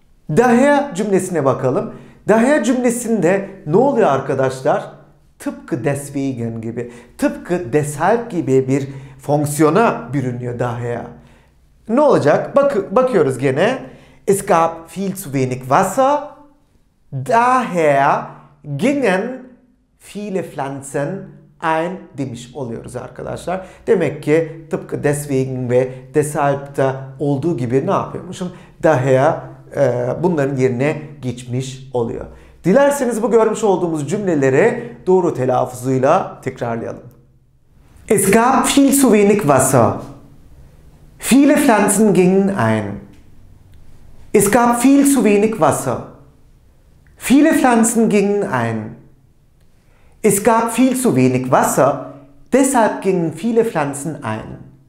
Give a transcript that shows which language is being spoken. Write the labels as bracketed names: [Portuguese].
[Turkish] Daher cümlesine bakalım. Daher cümlesinde ne oluyor arkadaşlar? Tıpkı deswegen gibi, tıpkı deshalb gibi bir fonksiyona bürünüyor daher. Ne olacak? Bakıyoruz gene. [German] Es gab viel zu wenig Wasser. Daher gingen viele Pflanzen ein [Turkish] demiş oluyoruz arkadaşlar. Demek ki tıpkı deswegen ve deshalb'da olduğu gibi ne yapıyormuşum? Daher bunların yerine geçmiş oluyor. Dilerseniz bu görmüş olduğumuz cümleleri doğru telaffuzuyla tekrarlayalım. [German] Es gab viel zu wenig Wasser. Viele Pflanzen gingen ein. Es gab viel zu wenig Wasser. Viele Pflanzen gingen ein. Es gab viel zu wenig Wasser, deshalb gingen viele Pflanzen ein.